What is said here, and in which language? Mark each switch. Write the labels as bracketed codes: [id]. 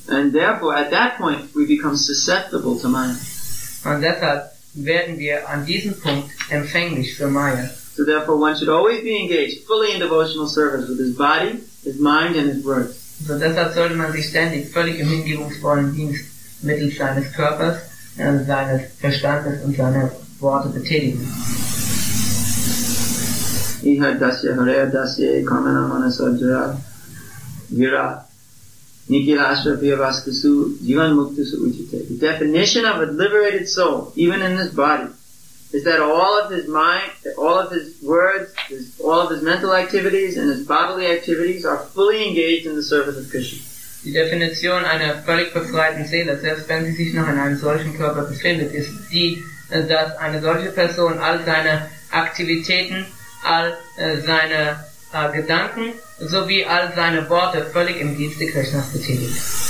[en] And therefore, at that point, we become susceptible to Maya. [de] Und deshalb werden wir an diesem Punkt empfänglich für Maya. [en] So therefore, one should always be engaged fully in devotional service with his body, his mind and his words. [de] So deshalb sollte man sich ständig völlig im hingebungsvollen Dienst mittels seines Körpers, seines Verstandes und seiner Worte betätigen. [sa] Iha dasya hareya dasya kamana manasajra vira nikilasya vyavaskasu jivan muktasu uchite. [en] The definition of a liberated soul, even in this body, is that all of his mind, all of his words, all of his mental activities and his bodily activities are fully engaged in the service of Krishna. [de] Die Definition einer völlig befreiten Seele, selbst wenn sie sich noch in einem solchen Körper befindet, ist die, dass eine solche Person all seine Aktivitäten, all seine Gedanken sowie all seine Worte völlig im Dienste Krishnas betätigt.